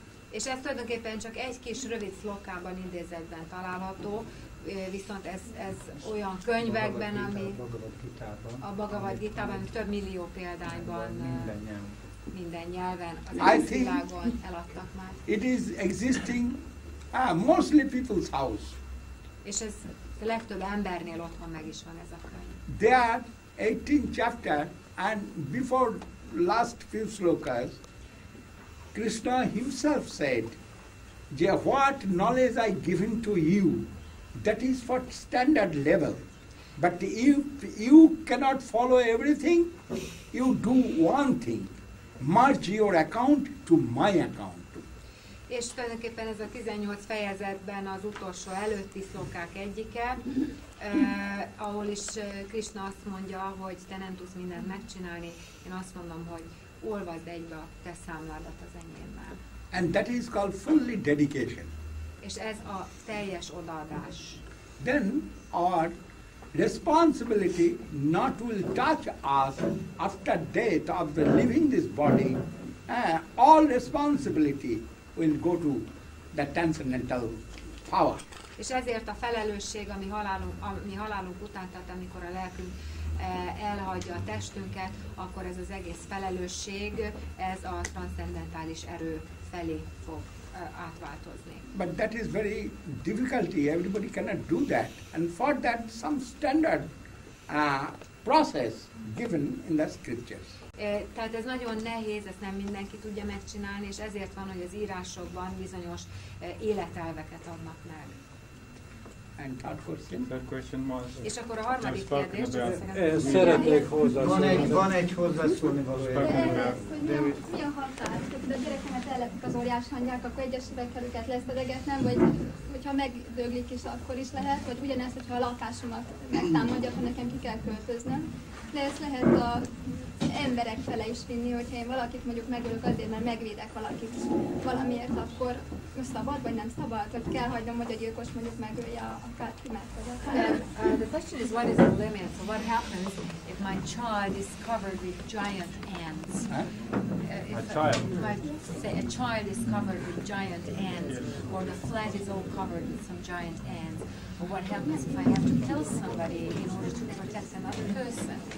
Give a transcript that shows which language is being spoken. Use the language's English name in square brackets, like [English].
[Hungarian] És ez tulajdonképpen csak egy kis rövid szlokában idézetben található, viszont ez olyan könyvekben, ami a Bhagavad Gita-ban több millió példányban minden nyelven az világon eladtak már. [English] It is existing mostly people's house. [Hungarian] És ez a legtöbb embernél otthon meg is van ez a könyv. [English] There are 18 chapter and before last few slokas, Krishna himself said, what knowledge I given to you, that is for standard level. But if you cannot follow everything, you do one thing. Merge your account to my account. [Hungarian] És tulajdonképpen ez a 18 fejezetben az utolsó előtti szlokák egyike, ahol is Krishna azt mondja, hogy te nem tudsz mindent megcsinálni, én azt mondom, hogy olvasd egybe a te számládat az enyémmel. [English] And that is called fully dedication. [Hungarian] És ez a teljes odaadás. [English] Then our responsibility not will touch us after death of the living this body, all responsibility will go to the transcendental power. [Hungarian] És ezért a felelősség, ami halálunk után, tehát amikor a lelkünk elhagyja a testünket, akkor ez az egész felelősség, ez a transzcendentális erő felé fog átváltozni. [English] But that is very difficulty. Everybody cannot do that. And for that, some standard process given in the scriptures. [Hungarian] Tehát ez nagyon nehéz, ezt nem mindenki tudja megcsinálni, és ezért van, hogy az írásokban bizonyos életelveket adnak meg. [English] And third question was. [Hungarian] És akkor a harmadik kérdés. Szeretnék hozzászólni. Van egy hozzászólni valójában. Mi a határ? Ha a gyerekemet ellepik az óriás hangyák, akkor egyesével kell őket leszedegetnem, vagy hogyha megdöglik is, akkor is lehet, vagy ugyanezt, hogyha a lakásomat megtámadja, akkor nekem ki kell költöznem. De ez lehet a emberek fele is vinni, hogyha én valakit mondjuk megölök azért, mert megvédek valakit valamiért, akkor szabad vagy nem szabad, hogy kell hagynom, hogy a gyilkos mondjuk megölje a kátkimát. [English] The question is, what is the limit? So what happens if my child is covered with giant ants? A child is covered with giant ants, or the flat is all covered with some giant ants. But what happens if I have to kill somebody in order to protect another person?